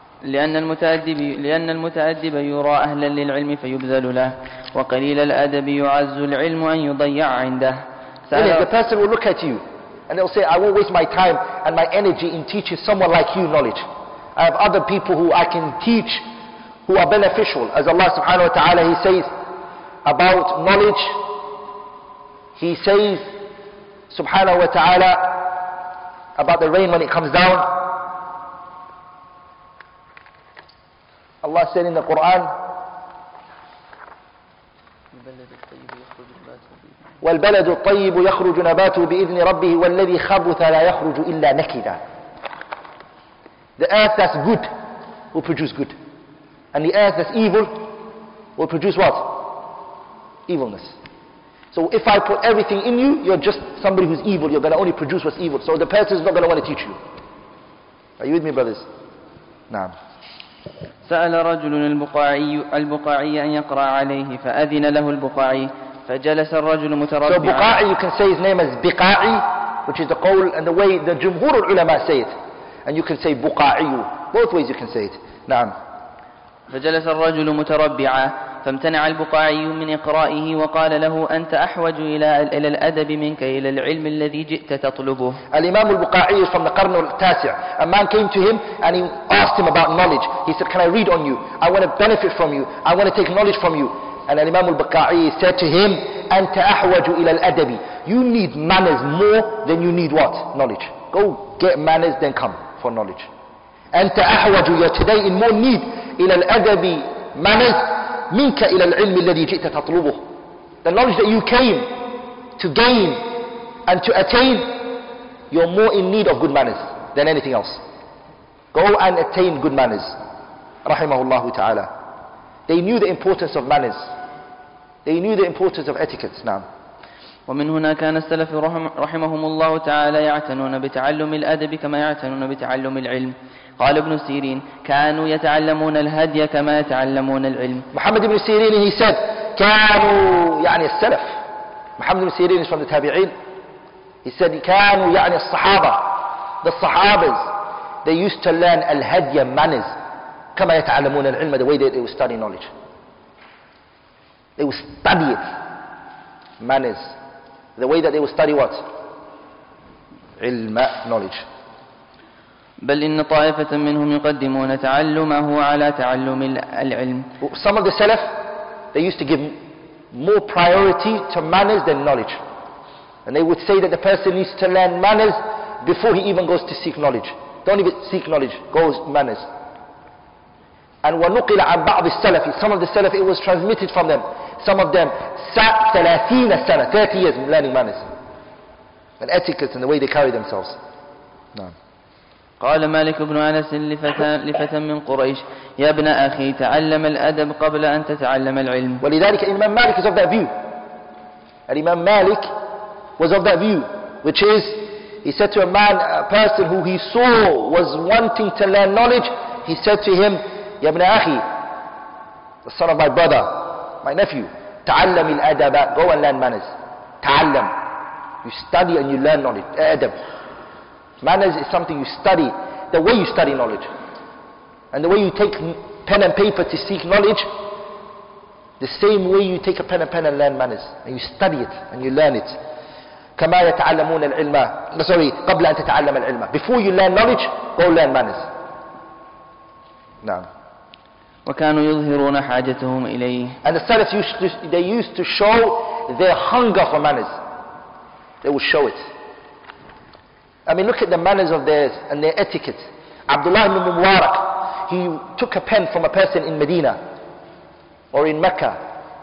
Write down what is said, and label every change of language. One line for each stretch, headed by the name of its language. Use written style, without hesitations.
Arabic: لأن المتأدب يرى أهلا للعلم فيبذل له, وقليل الأدب يعز العلم أن يضيع عنده.
English: The person will look at you and they'll say, I won't waste my time and my energy in teaching someone like you knowledge. I have other people who I can teach who are beneficial. As Allah subhanahu wa ta'ala, he says about knowledge, he says subhanahu wa ta'ala about the rain when it comes down, Allah said in the Quran, وَالْبَلَدُ الطَّيِّبُ يَخْرُجُ نَبَاتُ بِإِذْنِ رَبِّهِ وَالَّذِي خَبُثَ لَا يَخْرُجُ إِلَّا نَكِدًا. The earth that's good will produce good, and the earth that's evil will produce what? Evilness. So if I put everything in you, you're just somebody who's evil. You're going to only produce what's evil. So the person is not going to want to teach you. Are you with me, brothers?
Arabic: نعم. سأل رجل البقاعي أن يقرأ عليه فأذن له البقاعي فجلس الرجل متربعا.
English: So بقاعي, you can say his name as بقاعي, which is the قول and the way the جمهور العلماء say it, and you can say بقاعي, both ways you can say it.
Arabic: نعم. فجلس الرجل متربعا فامتنع البقاعي من إقرائه وقال له أنت أحوج إلى الأدب منك إلى العلم الذي جئت تطلبه. الإمام البقاعي from the قرن التاسع.
English: A man came to him and he asked him about knowledge. He said, can I read on you? I want to benefit from you. I want to take knowledge from you. And الإمام البقاعي said to him, أنت أحوج إلى الأدب. You need manners more than you need what? Knowledge. Go get manners, then come for knowledge. أنت أحوج, you're today in more need إلى الأدب manners.
Arabic: منك إلى العلم الذي جئت تطلبه.
English: The knowledge that you came to gain and to attain, you're more in need of good manners than anything else. Go and attain good manners. رحمه الله تعالى. They knew the importance of manners. They knew the importance of etiquette. Now,
Arabic: ومن هنا كان السلف رحمهم الله تعالى يعتنون بتعلم الأدب كما يعتنون بتعلم العلم. قال ابن سيرين كانوا يتعلمون الهدي كما يتعلمون العلم. محمد بن سيرين, he said, كانوا, يعني السلف. محمد بن سيرين is from the تابعين. He said, كانوا, يعني الصحابة.
English: The Sahabas, they used to learn الهدي, manners, كما يتعلمون العلم, the way they were studying knowledge. They would study it, manners, the way that they would study what? علم, knowledge.
Arabic: بل إن طائفة منهم يقدمون تعلمه على تعلم العلم.
English: Some of the Salaf, they used to give more priority to manners than knowledge. And they would say that the person needs to learn manners before he even goes to seek knowledge. Don't even seek knowledge, go manners. And ونقل عن بعض السلف, some of the Salaf, it was transmitted from them. Some of them sat 30 years learning manners and etiquette and the way they carry themselves.
Arabic: قال مالك بن أنس لفتى من قريش يا ابن أخي تعلم الأدب قبل أن تتعلم العلم.
English: ولذلك الإمام مالك is of that view. الإمام مالك was of that view, which is he said to a man, a person who he saw was wanting to learn knowledge, he said to him, يا ابن أخي, the son of my brother, my nephew, تعلم الأدب, go and learn manners. تعلم, you study and you learn knowledge, أدب. Manners is something you study, the way you study knowledge. And the way you take pen and paper to seek knowledge, the same way you take a pen and learn manners. And you study it, and you learn it.
Arabic: كما يتعلمون العلم, sorry, قبل أن تتعلم العلم.
English: Before you learn knowledge, go learn manners.
Arabic: نعم. وكانوا يظهرون حاجتهم إليه.
English: And the Salaf, they used to show their hunger for manners. They would show it. I mean, look at the manners of theirs and their etiquette. Abdullah ibn Mubarak, he took a pen from a person in Medina or in Mecca.